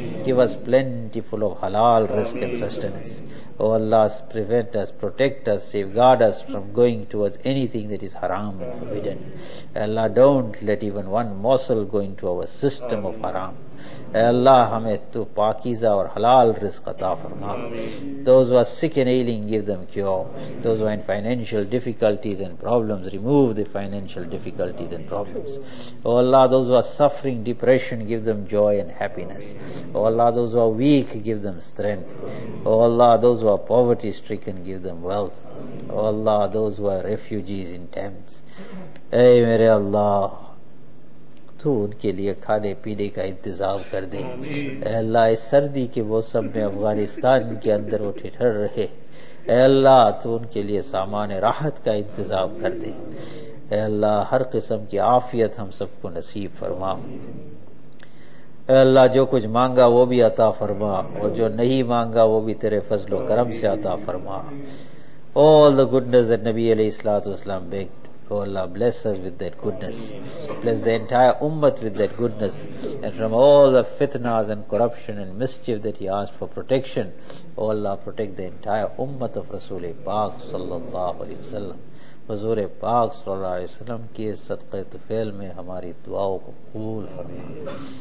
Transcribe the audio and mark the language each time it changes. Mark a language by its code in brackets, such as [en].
[en] Give us plenty full of حلال رزق and sustenance. O Allah prevent us protect us safeguard us from going towards anything that is حرام and forbidden. Allah don't let even one Muslim go into our system of حرام. [ur] اے اللہ ہمیں تو پاکیزہ اور حلال رزق عطا فرما. [en] Those who are sick and ailing, give them cure. Those who are in financial difficulties and problems, remove the financial difficulties and problems. Oh Allah, those who are suffering depression, give them joy and happiness. Oh Allah, those who are weak, give them strength. Oh Allah, those who are poverty stricken, give them wealth. Oh Allah, those who are refugees in tents. [ur] Ey mere Allah, تو ان کے لیے کھانے پینے کا انتظام کر دے. اے اللہ اس سردی کے موسم میں افغانستان کے اندر وہ ٹھٹھر رہے. اے اللہ تو ان کے لیے سامان راحت کا انتظام کر دے. اے اللہ ہر قسم کی عافیت ہم سب کو نصیب فرما. اے اللہ جو کچھ مانگا وہ بھی عطا فرما اور جو نہیں مانگا وہ بھی تیرے فضل و کرم سے عطا فرما. [en] All the goodness that نبی علیہ الصلوۃ والسلام begged. Oh Allah, bless us with that goodness. Bless the entire ummah with that goodness. And from all the fitnas and corruption and mischief that he asked for protection, Oh Allah, protect the entire ummah of Rasulullah Paak sallallahu alayhi wa sallam. [ur] حضور پاک صلی اللہ علیہ وسلم کے صدقہ طفیل میں ہماری دعاؤں کو قبول فرما.